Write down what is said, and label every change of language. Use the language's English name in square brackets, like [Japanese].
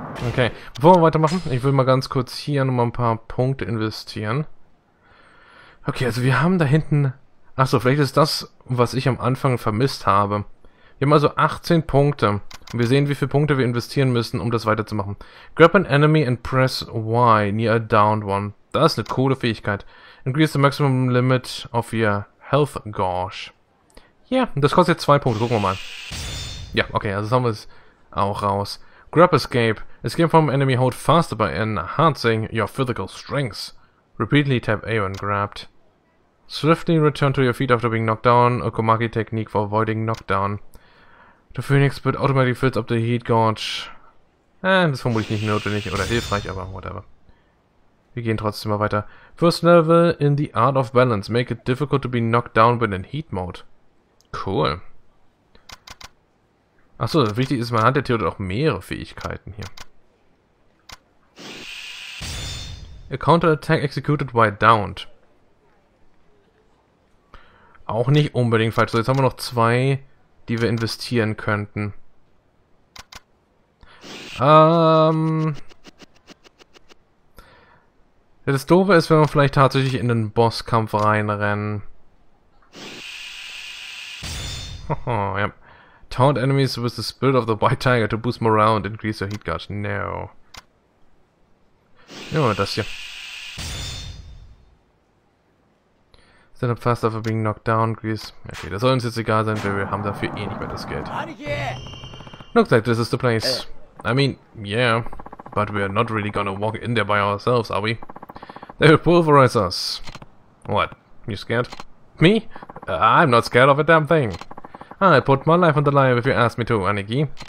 [German] Okay, bevor wir weitermachen, ich will mal ganz kurz hier nochmal ein paar Punkte investieren. Okay, also wir haben da hinten... Achso, vielleicht ist das, was ich am Anfang vermisst habe. Wir haben also 18 Punkte. Und wir sehen, wie viele Punkte wir investieren müssen, um das weiterzumachen. [English] Grab an enemy and press Y near a downed one. [German] Das ist eine coole Fähigkeit. [English] Increase the maximum limit of your health gauge. [German] Ja, das kostet jetzt 2 Punkte. Gucken wir mal. Ja, okay, also haben wir es auch raus. [English] Grab escape. Escape from enemy hold faster by enhancing your physical strength. Repeatedly tap A when grabbed. Swiftly return to your feet after being knocked down, a Komaki technique for avoiding knockdown. The Phoenix Bird automatically fills up the Heat Gorge. [German] Das ist vermutlich nicht notwendig oder hilfreich, aber whatever. Wir gehen trotzdem mal weiter. [English] First level in the Art of Balance. Make it difficult to be knocked down when in Heat Mode. Cool. [German] Achso, wichtig ist, man hat ja theoretisch auch mehrere Fähigkeiten hier. [English] A counter attack executed while downed. [German] Auch nicht unbedingt falsch. So, jetzt haben wir noch 2, die wir investieren könnten. Das Doofe ist, wenn wir vielleicht tatsächlich in den Bosskampf reinrennen. Oh, ja. [English] Taunt enemies with the spirit of the white tiger to boost morale and increase your heat gauge. [German] No. Nehmen wir das hier. [English] Set up faster for being knocked down, Grease. [German] Okay, das soll uns jetzt egal sein, weil wir haben dafür eh nicht mehr das Geld. [English] Looks like this is the place. I mean, yeah, but we're not really gonna walk in there by ourselves, are we? They will pulverize us. What? You scared? Me? I'm not scared of a damn thing. I put my life on the line if you ask me to, Aniki.